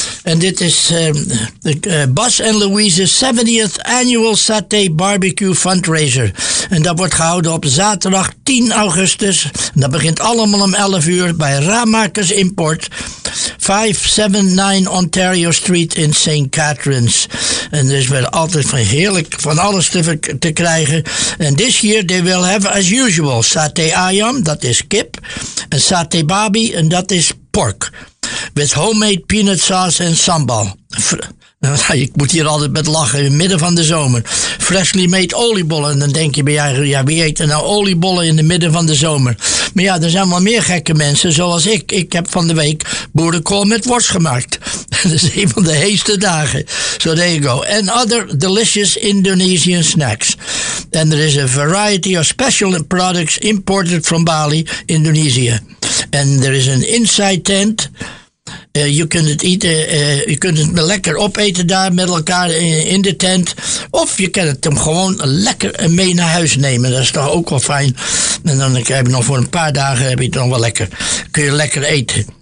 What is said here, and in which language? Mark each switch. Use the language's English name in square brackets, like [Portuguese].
[Dutch] En dit is Bas en Louise's 70th Annual Saturday Barbecue Fundraiser. En dat wordt gehouden op zaterdag 10 augustus. En dat begint allemaal om 11 uur bij Ramakers Import. 579 Ontario Street in St. Catharines. En er is wel altijd van heerlijk van alles te krijgen. [English] En this year they will have, as usual, satay ayam, [Dutch] dat is kip. En satay babi, en dat is [English] pork. With homemade peanut sauce en sambal. [Dutch] Ik moet hier altijd met lachen, in het midden van de zomer. [English] Freshly made [Dutch] oliebollen. En dan denk je bij jou, ja, wie eet er nou oliebollen in het midden van de zomer? Maar ja, er zijn wel meer gekke mensen, zoals ik. Ik heb van de week boerenkool met worst gemaakt. Dat is een van de heeste dagen. [English] So there you go. And other delicious Indonesian snacks. And there is a variety of special products imported from Bali, Indonesia. And there is an inside tent. [Dutch] Je kunt het lekker opeten daar met elkaar in de tent. Of je kan het hem gewoon lekker mee naar huis nemen. Dat is toch ook wel fijn. En dan heb je nog voor een paar dagen heb je het nog wel lekker. Kun je lekker eten.